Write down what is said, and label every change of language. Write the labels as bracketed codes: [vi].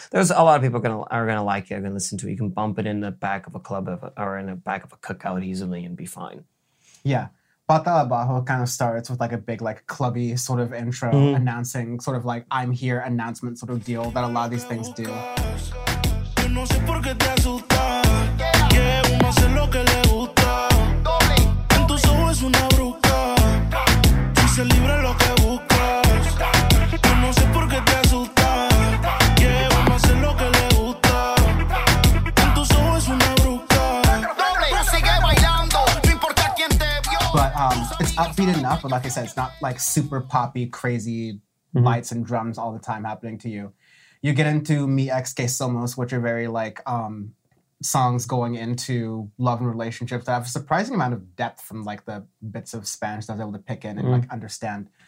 [en] There's a lot of people are gonna like it, are gonna listen to it. You can bump it in the back of a club or in the back of a cookout easily and be fine. Yeah. Bata La Bajo kind of starts with like a big like clubby sort of intro announcing sort of like I'm here announcement sort of deal that a lot of these things do. [es] No sé por qué te asusta, que uno hace lo que le gusta. En tus ojos es una bruja, si se libra lo que buscas. Yo no sé por qué te asusta, que uno hace lo que le gusta. En tus ojos es una bruja, tú sigue bailando, no importa quién te vio. [en] But it's upbeat enough, but like I said, it's not like super poppy, crazy lights and drums all the time happening to you. You get into Mi Ex Que Somos, which are very, like, songs going into love and relationships that have a surprising amount of depth from, like, the bits of Spanish that I was able to pick in and, like, understand.